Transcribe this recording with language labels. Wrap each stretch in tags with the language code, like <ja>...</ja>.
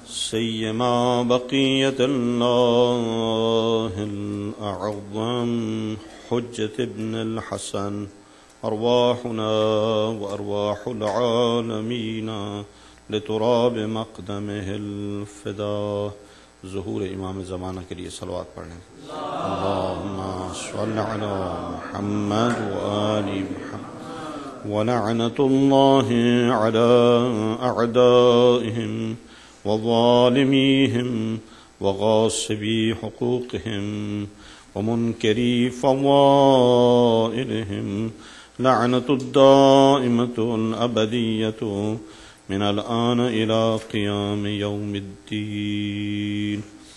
<ar>سيما بقية الله الأعظم حجة ابن الحسن أرواحنا وأرواح العالمين لتراب مقدمه الفدا.</ar> <ur>ظهور إمام الزمان کے لیے صلوات پڑھیں.</ur> <ar>اللهم صل على محمد وآل محمد. ولعنة الله على أعدائهم وظالميهم وغاصبي حقوقهم ومنكري فضائلهم, لعنة الدائمة الأبدية من الآن إلى قيام يوم الدين.</ar>